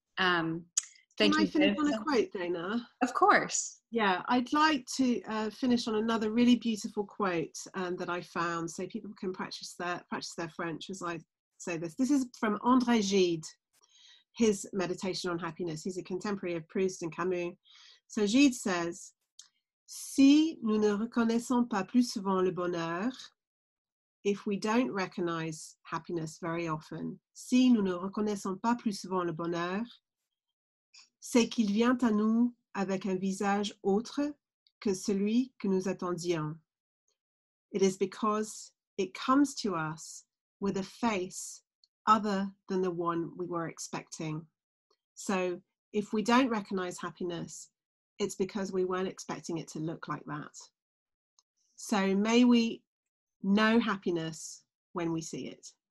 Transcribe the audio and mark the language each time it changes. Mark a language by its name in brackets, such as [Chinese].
[English] Can I finish on a quote, Dana? Of course. Yeah, I'd like to finish on another really beautiful quote that I found, so people can practice their French as I say this. This is from André Gide, his Meditation on Happiness. He's a contemporary of Proust and Camus. So Gide says, [French] si nous ne reconnaissons pas plus souvent le bonheur, [English] if we don't recognize happiness very often, [French] si nous ne reconnaissons pas plus souvent le bonheur, c'est qu'il vient à nous avec un visage autre que celui que nous attendions. [English] It is because it comes to us with a face other than the one we were expecting. So if we don't recognize happiness, it's because we weren't expecting it to look like that. So may we know happiness when we see it.